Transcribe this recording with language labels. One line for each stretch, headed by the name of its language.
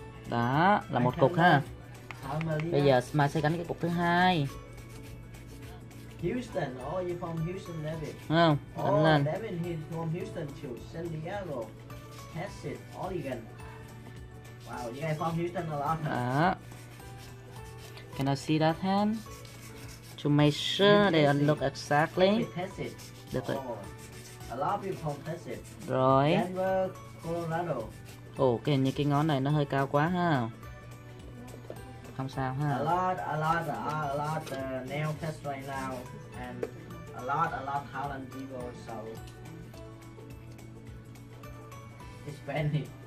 Vietnamese: Đó, là một cục ha. Bây giờ Smile sẽ gắn cái cục thứ hai.
English: Houston, oh, you're from Houston, David. Oh, oh then. David, he's from Houston too. San Diego, Texas, Oregon. Wow, you guys from Houston a lot. Can I see that hand? To make sure they look exactly. Texas. Oh, a lot of you from Texas.
Vietnamese: Rồi.
English: Denver, Colorado.
Vietnamese: Oh, cái hình như cái ngón này nó hơi cao quá ha. không sao ha.
English: A lot nail test right now and a lot Holland people, so it's Benny.